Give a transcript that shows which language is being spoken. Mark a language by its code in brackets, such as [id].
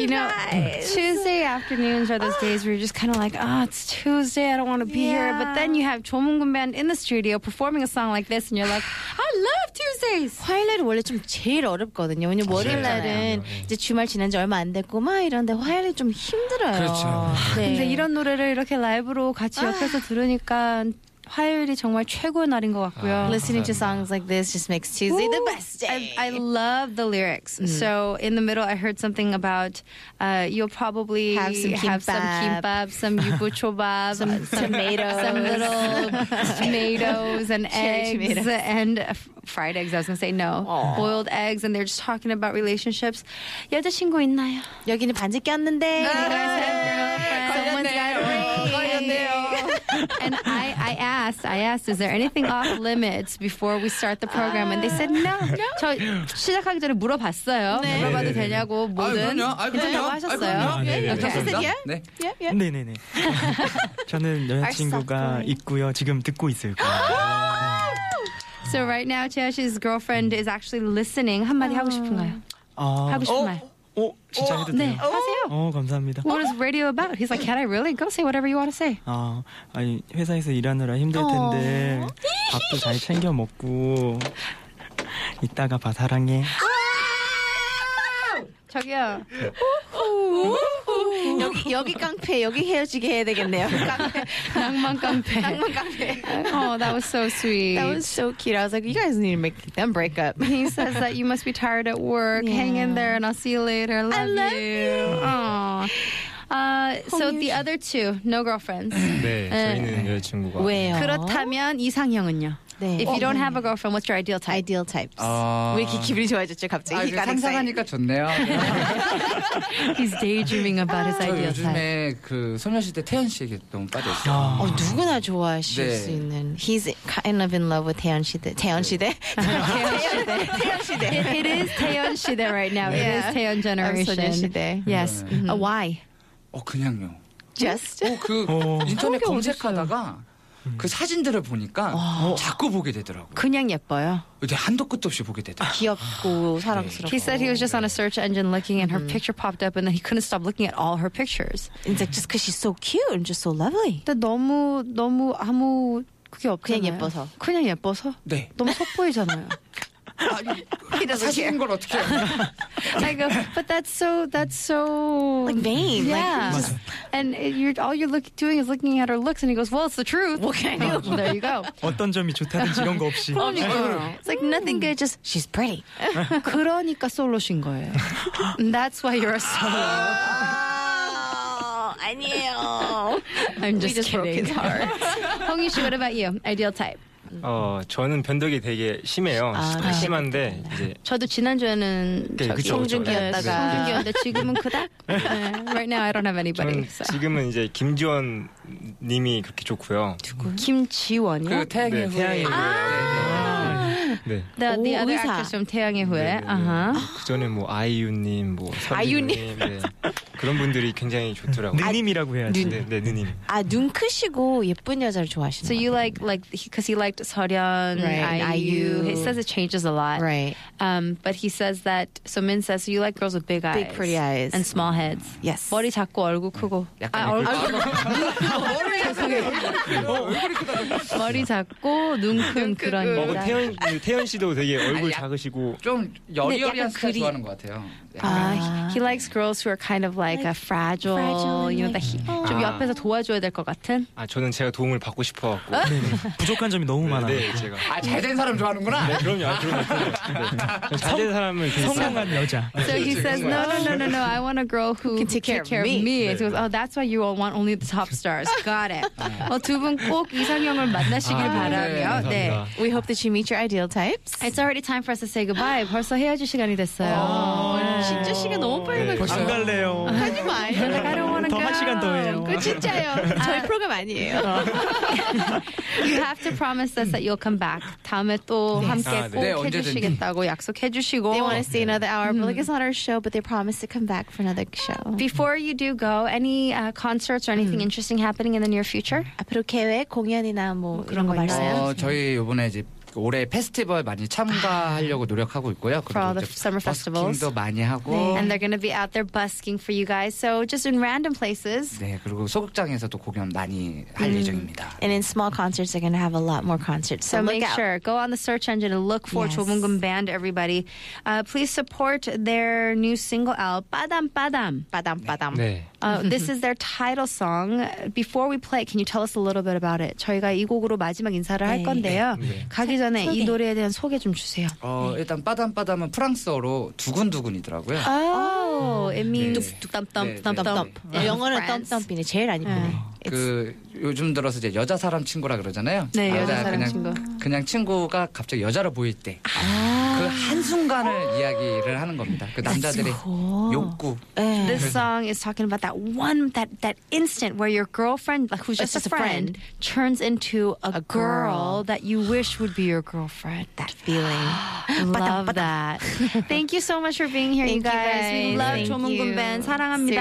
[en] Afternoons are those days where you're just kind of like, oh, it's Tuesday, I don't want to be here. But then you have 조문근 band in the studio performing a song like this, and you're like, I love Tuesdays. [ko] 화요일날이 원래 좀 제일 어렵거든요. 왜냐면 월요일날은 이제 주말 지난 지 얼마 안 됐고 막 이런데 화요일이 좀 힘들어요. 그렇죠. 근데 이런 노래를 이렇게 라이브로 같이 옆에서 들으니까 화요일이 정말 최고의 날인 것 같고요. [en] Listening to songs like this just makes Tuesday the best day. I love the lyrics. So in the middle, I heard something about you'll probably have some kimbap, some yubuchobab, some tomatoes, some little tomatoes and eggs, and fried eggs. I was going to say no. Aww. Boiled eggs, and they're just talking about relationships. [ko] 여자친구 있나요? 여기는 반지 꼈는데. [en] Someone's got a ring. And I asked, is there anything off limits before we start the program? And they said no. [ko] 저 시작하기 전에 물어봤어요. 네. 물어봐도 되냐고 뭐든 괜찮다고 하셨어요. 네네네. 네네네. 저는 여자친구가 있고요. 지금 듣고 있을 거예요. So right now, Chiyoshi's girlfriend is actually listening. 한마디 하고 싶은 거예요. 하고 싶은 말. 진짜 해도 돼요? 네, 하세요. 감사합니다. [en] What is radio about? He's like, can I really go say whatever you want to say? [ko] 아니 회사에서 일하느라 힘들 텐데 밥도 잘 챙겨 먹고 이따가 봐 사랑해. 저기요. 여기 깡패 여기 헤어지게 해야 되겠네요. 깡패. 낭만 깡패. 낭만 깡패. [en] Oh, that was so sweet. That was so cute. I was like, you guys need to make them break up. He says that you must be tired at work. Yeah. Hang in there, and I'll see you later. I love you. So the other two, no girlfriends. [ko] 네, 저희는 여자친구가. 왜요? 그렇다면 이상형은요? 네. [en] If you don't have a girlfriend, what's your ideal type? Ideal types. [ko] 왜 이렇게 기분이 좋아졌죠, 갑자기? 아, 상상하니까 좋네요. [en] He's daydreaming about his ideal type. [ko] 저 요즘에 그 소녀시대 태연 씨에게 너무 빠졌어요. 어, 누구나 좋아하실 네. 수 있는. [en] He's kind of in love with 태연 씨대. [ko] 태연 씨대? 태연 씨대. 태연 씨대. [en] It is 태연 씨대 right now. Yeah. It is 태연 generation. [ko] 소녀시대. [en] Yes. Mm-hmm. Why? [ko] 어, 그냥요. [en] Just? [ko] 어, 그 인터넷 검색하다가 그 사진들을 보니까 자꾸 보게 되더라고요. 그냥 예뻐요. 이제 한도 끝도 없이 보게 되더라고요. 귀엽고 사랑스럽고. [en] He said he was just on a search engine looking and her picture popped up and then he couldn't stop looking at all her pictures. It's like just because she's so cute and just so lovely. [ko] 근데 너무 너무 아무 그게 없잖아요. 그냥 예뻐서. 그냥 예뻐서? 네. 너무 섣보이잖아요. 사진인 걸 어떻게 [en] I go, but that's so like vain. Yeah. Like, and all you're doing is looking at her looks. And he goes, well, it's the truth. What can I do? There you go. [ko] 어떤 점이 좋다든지 이런 거 없이. 그러니까. [en] It's like nothing good. Just she's pretty. [ko] 그러니까 솔로신 거예요. [en] That's why you're a solo. [ko] 아니에요. [en] I'm just kidding. Hongyu Shi, what about you? Ideal type. [ko] 어 저는 변덕이 되게 심해요. 아, 심한데 네. 이제 저도 지난주에는 네, 송중기였다가 송중기였는데 지금은 그닥 [en] 네. Right now I don't have anybody. [ko] 저는 지금은 이제 김지원 님이 그렇게 좋고요. 누구? 김지원이요? 그 태양의 네, 후예. 네. [en] The other actors from 태양의 후예. [ko] 그전에 뭐 아이유님, 뭐 서준님 네. 그런 분들이 굉장히 좋더라고요. 느님이라고 해야지. 네, 네 느님. 아 눈 크시고 예쁜 여자를 좋아하시는. [en] So you like because he liked 서련, right. IU. He says it changes a lot. Right. But he says that. So Min says, so you like girls with big eyes, big pretty eyes, and small heads. Yes. [ko] 머리 작고 얼굴 크고. 약간 얼굴. 머리 작고 눈 큰 그런. 태연 씨도 되게 얼굴 작으시고 좀 여리여리한 스타일 좋아하는 것 같아요. [en] He likes girls who are kind of like a fragile, you know, that he [ko] 좀 옆에서 도와줘야 될 것 같은. 아 저는 제가 도움을 받고 싶어 갖고 부족한 점이 너무 많아요. 네, 제가 아 잘된 사람 좋아하는구나. 네, 그럼요. 그럼요. 네. 잘된 사람은 성공한 여자. [en] So he says, no. I want a girl who can take care of me. 네, so he goes, oh, that's why you all want only the top stars. Got it. [ko] 어 두 분 꼭 이상형을 만나시길 바라며. 네. [en] We hope that you meet your ideal types. It's already time for us to say goodbye. [ko] 벌써 헤어질 시간이 됐어요. 진짜 시간 너무 빨리 가고 벌써 갈래요. 하지 마. [en] Like, I don't want to go. [ko] 더 한 시간 더 해요. 그 진짜요. 저희 프로그램 아니에요. [en] You have to promise us that you'll come back. [ko] 다음에 또 yes. 함께 아, 꼭 네, 해주시겠다고 약속해 주시고. [en] They want to see another hour, but like it's not our show, but they promise to come back for another show. Before you do go, any concerts or anything interesting happening in the near future? [ko] 앞으로 계획, 공연이나 뭐 그런 거 말씀해 주세요. 저희 이번에 이제 올해 페스티벌 많이 참가하려고 노력하고 있고요. [en] For all the summer festivals. [ko] 버스킹도 많이 하고. 네. [en] And they're going to be out there busking for you guys. So just in random places. [ko] 네, 그리고 소극장에서 또 공연 많이 할 예정입니다. [en] And in small concerts, they're going to have a lot more concerts. So make sure. Go on the search engine and look for 조문근밴드, everybody. Please support their new single album, 빠담 빠담. 빠담 빠담. 네. this is their title song. Before we play, can you tell us a little bit about it? [ko] 저희가 이 곡으로 마지막 인사를 네. 할 건데요. 네. 가기 전에 소개. 이 노래에 대한 소개 좀 주세요. 네. 일단 빠담빠담은 프랑스어로 두근두근이더라고요. [en] Oh, it means [ko] 뚝땀땀땀땀. 영어는 땀땀이네. 제일 안 이쁘네. 그 요즘 들어서 이제 여자 사람 친구라 그러잖아요. 네, 여자 사람 그냥, 친구. 그냥 친구가 갑자기 여자로 보일 때 그 한순간을 이야기를 하는 겁니다. 그 남자들의 욕구. [en] This song is talking about that one, that instant where your girlfriend, like who's just a friend, turns into a girl that you wish would be your girlfriend. That feeling. Love that. Thank you so much for being here, you guys. We love 조문근밴드. [ko] 사랑합니다.